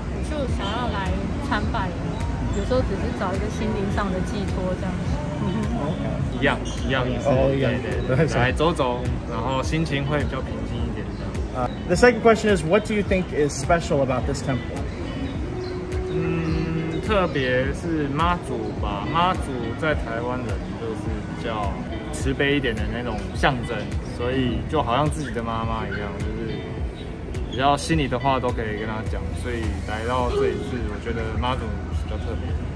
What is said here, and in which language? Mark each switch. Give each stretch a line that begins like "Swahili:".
Chinese: 就想要来参拜，有时候只是找一个心灵上的寄托这样子。一样意思，对，来走走，然后心情会比较平静一点。
English: The second question is, what do you think is special about this temple?
Chinese: 特别是妈祖吧，妈祖在台湾人就是比较慈悲一点的那种象征，所以就好像自己的妈妈一样，就是比较心里的话都可以跟她讲，所以来到这一次，我觉得妈祖比较特别。